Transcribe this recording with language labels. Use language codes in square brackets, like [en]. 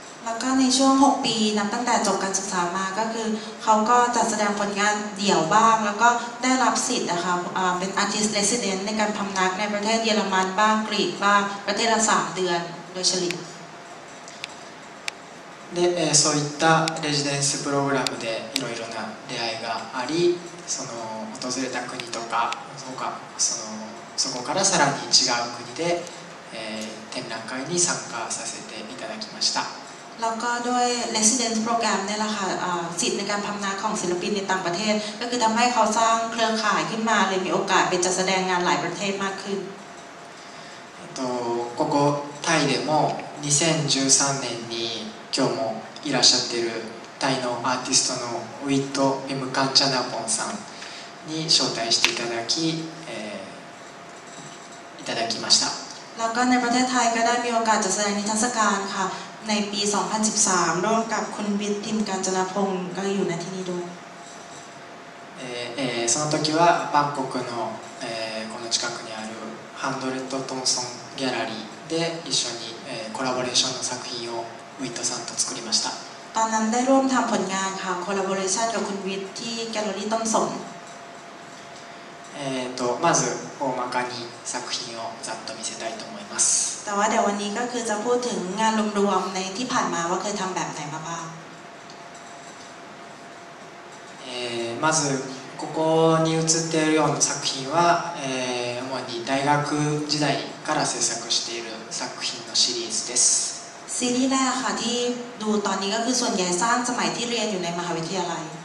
[th] แล้วก็ในช่วง6ปีนับตั้งแต่จบการศึกษามาก็คือเขาก็จัดแสดงผลงานเดี่ยวบ้างแล้วก็ได้รับสิทธิ์นะคะเป็น artist resident ในการพำนักในประเทศเยอรมันบ้างกรีกบ้างประเทศละ3เดือนโดยเฉลี่ย [ja] でそういったレジデンスプログラムでいろいろな出会いがあり、その訪れた国とか、そこからさらに違う国で展覧会に参加させていただきました。 [th] แล้วก็ด้วย residence program เนี่ยแหละค่ะสิทธิ์ในการพำนักของศิลปินในต่างประเทศก็คือทำให้เขาสร้างเครือข่ายขึ้นมาเลยมีโอกาสไปจัดแสดงงานหลายประเทศมากขึ้น [ja] ここタイでも2013年に今日もいらっしゃってるタイのアーティストのウィット・ペムカンチャナポンさんに招待していただき、いただきました。 [th] แล้วก็ในประเทศไทยก็ได้มีโอกาสจัดแสดงนิทรรศการค่ะในปี2013ร่วมกับคุณวิทย์ทิมกาญจนพงศ์ก็อยู่ในที่นี้ด้วย [ja] その時はバンコクのこの近くにあるハンドレッドトンソンギャラリーで一緒にコラボレーションの作品をウィットさんと作りました。 [th] ตอนนั้นได้ร่วมทำผลงานค่ะคอลลาโบเรชันกับคุณวิทย์ที่แกลเลอรี่ต้นสน [ja] まず大まかに作品をざっと見せたいと思います。 [th] แต่ว่าเดี๋ยววันนี้ก็คือจะพูดถึงงานรวมๆในที่ผ่านมาว่าเคยทำแบบไหนมาบ้าง [ja] まずここに写っているような作品は主に大学時代から制作している作品のシリーズです。 [th] ซีรีส์แรกค่ะที่ดูตอนนี้ก็คือส่วนใหญ่สร้างสมัยที่เรียนอยู่ในมหาวิทยาลัย